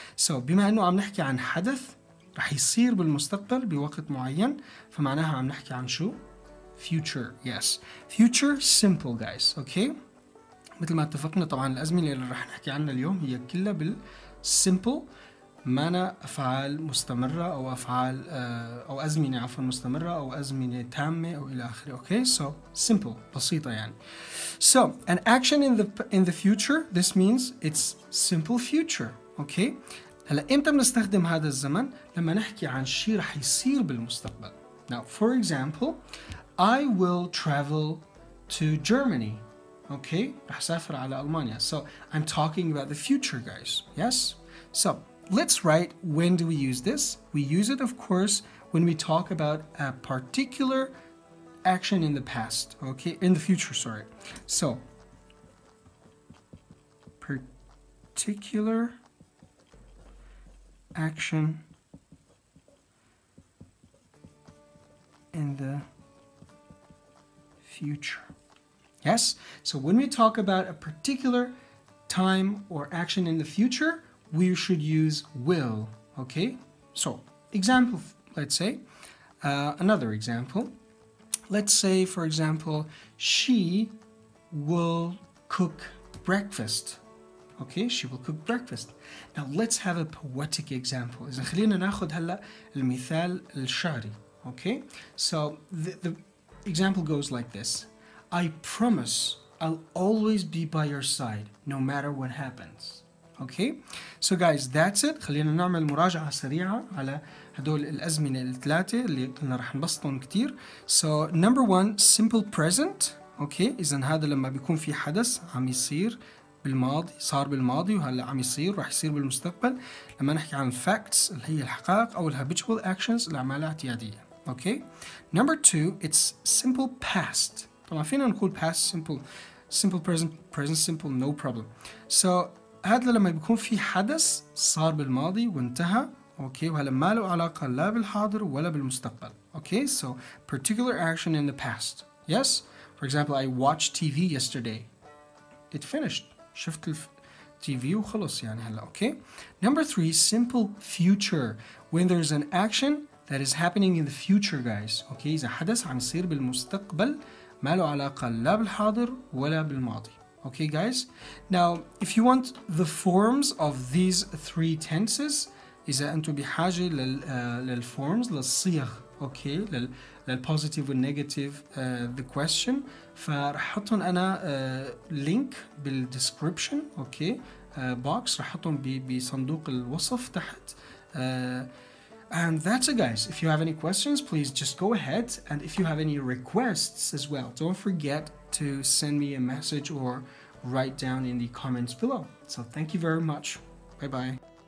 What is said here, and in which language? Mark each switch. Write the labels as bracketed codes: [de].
[en] So [ar] بما أنه عم نحكي عن حدث رح يصير بالمستقبل بوقت معين فمعناها عم نحكي عن شو؟ [en] Future, yes. Future, simple guys, okay? [ar] مثل ما اتفقنا طبعا الأزمنة اللي رح نحكي عنها اليوم هي كلها بالsimple معنى أفعال مستمرة أو أفعال أو أزمنة عفوا مستمرة أو أزمنة تامة أو إلى آخره, okay? [en] So, simple, [ar] بسيطة يعني. [en] So, an action in the future, this means it's simple future, okay? [ar] هلا امتى بنستخدم هذا الزمن لما نحكي عن شيء رح يصير بالمستقبل. [en] Now for example, I will travel to Germany. [ar] Okay, رح سافر على ألمانيا. [en] So I'm talking about the future, guys. Yes. So let's write when do we use this. We use it of course when we talk about a particular action in the past. Okay, in the future, sorry. So particular action in the future. Yes? So when we talk about a particular time or action in the future, we should use will. Okay? So, example, let's say. Another example. Let's say, for example, she will cook breakfast. Okay, she will cook breakfast. Now let's have a poetic example. [ar] إذا خلينا ناخد هلا المثال الشعري. [en] Okay, so the example goes like this. I promise I'll always be by your side, no matter what happens. Okay, so guys, that's it. [ar] خلينا نعمل مراجعة سريعة على هدول الأزمنة الثلاثة اللي قلنا رح نبسطهم كتير. [en] So number one, simple present. [ar] Okay, إذا هذا لما بيكون في حدث عم يصير بالماضي صار بالماضي وهلا عم يصير رح يصير بالمستقبل لما نحكي عن facts اللي هي الحقائق أو habitual actions الأعمال الاعتيادية. [en] Okay, number two, it's simple past. [ar] طبعا فينا نقول [en] past simple, simple present, present simple, no problem. [ar] So هذا لما بيكون في حدث صار بالماضي وانتهى. Okay, وهلا ما له علاقة لا بالحاضر ولا بالمستقبل. [en] Okay, so particular action in the past. Yes, for example, I watched TV yesterday. It finished. [ar] شفت TV وخلص يعني هلا. [en] Okay, number three, simple future, when there's an action that is happening in the future, guys. [ar] Okay, إذا حدث عم يصير بالمستقبل ما له علاقة لا بالحاضر ولا بالماضي. [en] Okay guys, now if you want the forms of these three tenses, [ar] إذا أنتوا بحاجة للforms للصيغ. Okay, للpositive والnegative the question, فرح حطهم أنا link بالdescription, okay, box رح حطهم بصندوق الوصف تحت. [en] And that's it, guys. If you have any questions, please just go ahead. And if you have any requests as well, don't forget to send me a message or write down in the comments below. So thank you very much. Bye-bye.